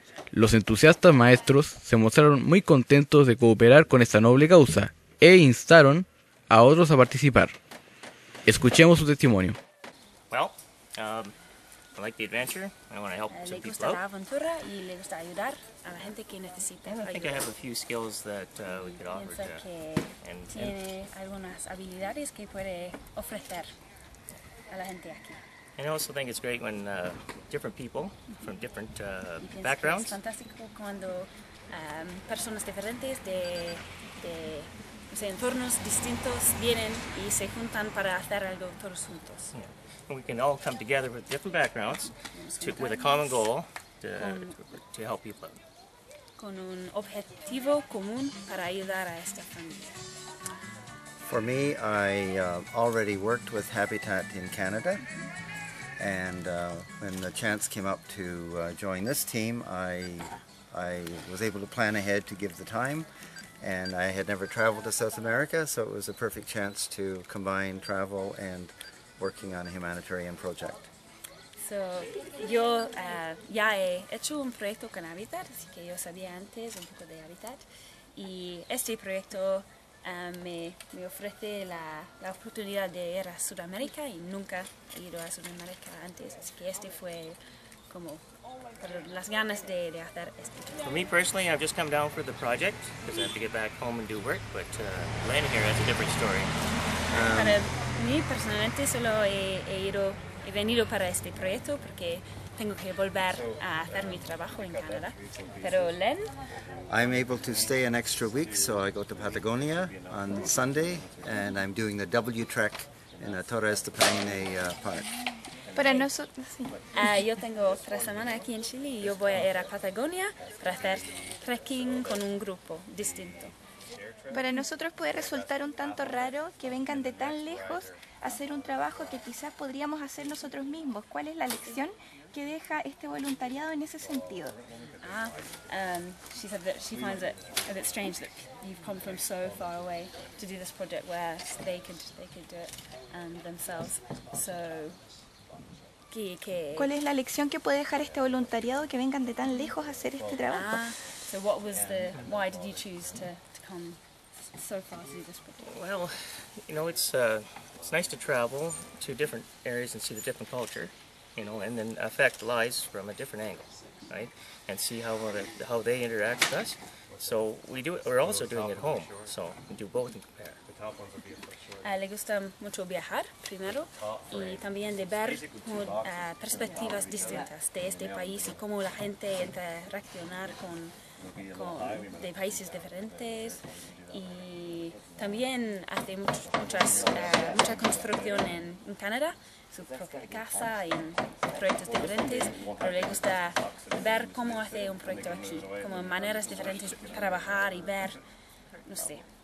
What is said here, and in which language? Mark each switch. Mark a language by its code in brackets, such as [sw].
[es] Los entusiastas maestros se mostraron muy contentos de cooperar con esta noble causa e instaron a otros a participar. Escuchemos su testimonio. [en] Well, I like the adventure. I want to help some people out. [es] Le gusta la aventura y le gusta ayudar a la gente que necesita ayuda. [en] I think I have a few skills that we could offer. [es] Pienso que tiene algunas habilidades que puede ofrecer a la gente aquí. [en] And I also think it's great when different people from different backgrounds. [es] Es fantástico cuando personas diferentes de entornos distintos vienen y se juntan para hacer algo todos juntos. [en] Yeah. And we can all come together with different backgrounds with a common goal to help people. [es] Con un objetivo común para ayudar a esta familia. [en] For me, I already worked with Habitat in Canada, and when the chance came up to join this team, I was able to plan ahead to give the time. And I had never traveled to South America, so it was a perfect chance to combine travel and working on a humanitarian project. [es] So, yo ya he hecho un proyecto con Habitat, así que yo sabía antes un poco de Habitat. Y este proyecto me ofrece la oportunidad de ir a Sudamérica y nunca he ido a Sudamérica antes, así que este fue como las ganas de hacer esto. [en] For me personally, I've just come down for the project because I have to get back home and do work, but landing here has a different story. [es] Para mí personalmente solo he venido para este proyecto porque tengo que volver a hacer mi trabajo en Canadá. Pero Len, [en] I'm able to stay an extra week, so I go to Patagonia on Sunday and I'm doing the W trek in the Torres de Paine Park. [es] Para nosotros, sí. Yo tengo otra semana aquí en Chile y yo voy a ir a Patagonia para hacer trekking con un grupo distinto. Para nosotros puede resultar un tanto raro que vengan de tan lejos a hacer un trabajo que quizás podríamos hacer nosotros mismos. ¿Cuál es la lección que deja este voluntariado en ese sentido? [en] She said that she finds it a bit strange that you've come from so far away to do this project where they could do it themselves. So, [es] ¿cuál es la lección que puede dejar este voluntariado que vengan de tan lejos a hacer este trabajo? [en] So what was the, why did you choose to come so far to do this project? Well, you know, it's nice to travel to different areas and see the different culture, you know, and then affect lives from a different angle, right? And see how they interact with us. So we're also doing it home, so we do both and compare. [es] Le gusta mucho viajar primero y también de ver perspectivas distintas de este país y cómo la gente interacciona con de países diferentes y también hace mucha construcción en Canadá, su propia casa y en proyectos diferentes, pero le gusta ver cómo hace un proyecto aquí, como maneras diferentes de trabajar y ver, no sé.